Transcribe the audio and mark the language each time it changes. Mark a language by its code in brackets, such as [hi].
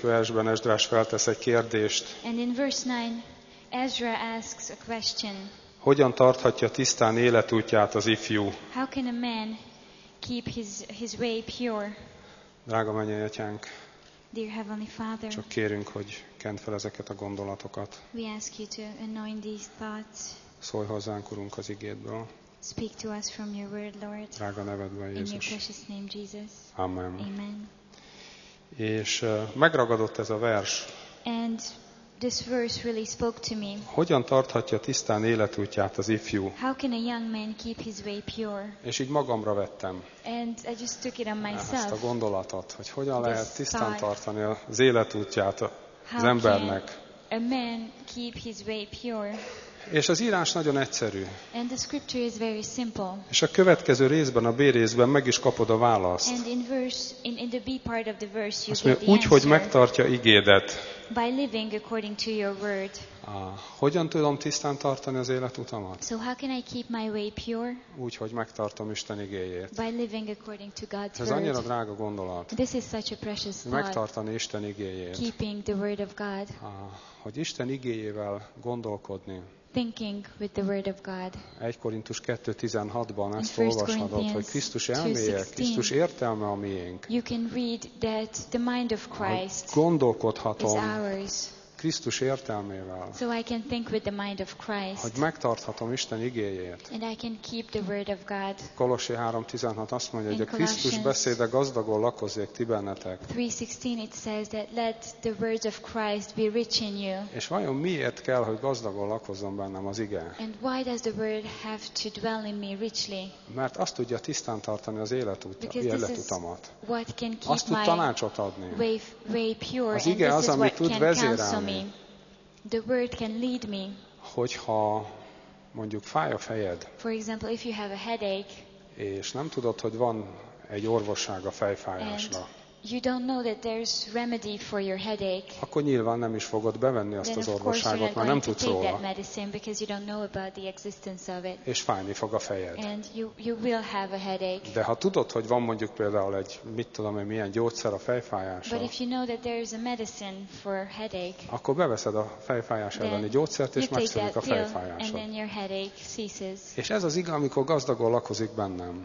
[hu] versben Ezrás feltesz egy kérdést. [en] And in verse 9, Ezra asks a question. [hu] Hogyan tarthatja tisztán életútját az ifjú? [en] How can a man keep his way pure? [hu] Drága mennyei atyánk, [en] Dear Heavenly Father, [hu] csak kérünk, hogy kent fel ezeket a gondolatokat. [en] We ask you to anoint these thoughts. [hu] Szólj hozzánk, Urunk, az igédből. [en] Speak to us from your word, Lord. [hu] Drága nevedben, Jézus. [en] In your precious name, Jesus. [hu] Amen. [en] Amen. [hu] És megragadott ez a vers. [en] And this verse really spoke to me. [hu] Hogyan tarthatja tisztán életútját az ifjú? [en] How can a young man keep his way pure? [hu] És így magamra vettem. [en] And I just took it on myself. [hu] Ezt a gondolatot, hogy hogyan lehet tisztán tartani az életútját az embernek. [en] How can a man keep his way pure? [hu] És az írás nagyon egyszerű. [en] And the scripture is very simple. [hu] És a következő részben, a B részben meg is kapod a választ. [en] And in verse, in the B part of the verse, you get the answer. [hu] Úgy, hogy megtartja igédet. [en] By living according to your word. [hu] Hogyan tudom tisztán tartani az életutamat? [en] So how can I keep my way pure? [hu] Úgy, hogy megtartom Isten igéjét. [en] By living according to God's [hu] word. Ez annyira drága gondolat. [en] This is such a precious thought. [hu] Megtartani Isten igéjét. [en] Keeping the word of God. [hu] Hogy Isten igéjével gondolkodni. [en] Thinking with the word of God. [hu] 1 Korintus 2:16-ban ezt olvashatod, hogy Krisztus elméje, Krisztus értelme a miénk. [en] You can read that the mind of Christ [hu] gondolkodhatom [en] is ours. [hu] Krisztus értelmével. [en] So I can think with the mind of Christ. [hu] Hogy megtarthatom Isten igéjét. [en] And I can keep the word of God. [hu] Kolossi 3:16 azt mondja, hogy a Krisztus beszéde gazdagon lakozzék ti bennetek. [en] 3:16 it says that let the word of Christ be rich in you. [hu] És vajon miért kell, hogy gazdagon lakozzon bennem az ige? [en] And why does the word have to dwell in me richly? [hu] Mert azt tudja tisztán tartani az életutamat. [en] What can keep [hu] azt tud tanácsot adni. [en] Way pure. [hu] Az ige az, ami tud vezérelni. [en] The word can lead me. [hu] Hogyha mondjuk fáj a fejed. [en] For example, if you have a headache. [hu] És nem tudod, hogy van egy orvosság a fejfájásra. [en] You don't know that there's remedy for your headache. [hu] Akkor nyilván nem is fogod bevenni azt az orvosságot, mert nem tudsz róla. [en] That medicine because you don't know about the existence of it. [hu] És fájni fog a fejed. [en] And you will have a headache. [hu] De ha tudod, hogy van mondjuk például egy mit tudom én milyen gyógyszer a fejfájásra. [en] But if you know that there is a medicine for headache. [hu] Akkor beveszed a fejfájás elleni gyógyszert és megszűnik a fejfájásod. [en] And then your headache ceases. [hu] És ez az igaz, amikor gazdagon lakozik bennem.